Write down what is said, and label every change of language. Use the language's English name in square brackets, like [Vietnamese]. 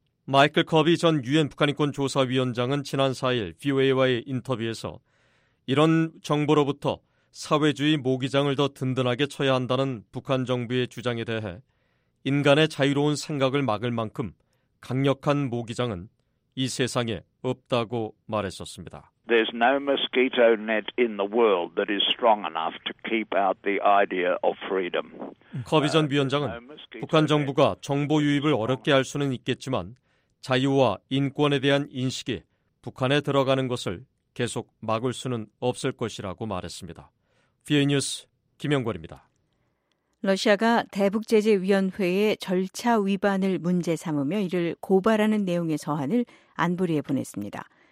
[Korean] 마이클 커비 전 유엔 북한인권조사위원장은 지난 4일 VOA와의 인터뷰에서 이런 정보로부터 사회주의 모기장을 더 든든하게 쳐야 한다는 북한 정부의 주장에 대해 인간의 자유로운 생각을 막을 만큼 강력한 모기장은 이 세상에 없다고 말했었습니다. [English] There's no mosquito net in the world that is strong enough to keep out the idea of freedom. [Korean] 커비 전 위원장은 북한 정부가 정보 유입을 어렵게 할 수는 있겠지만 자유와 인권에 대한 인식이 북한에 들어가는 것을 계속 막을 수는 없을 것이라고 말했습니다. VOA 뉴스 김영걸입니다. 러시아가 대북제재위원회의 절차 위반을 문제 삼으며 이를 고발하는 내용의 서한을 안보리에 보냈습니다.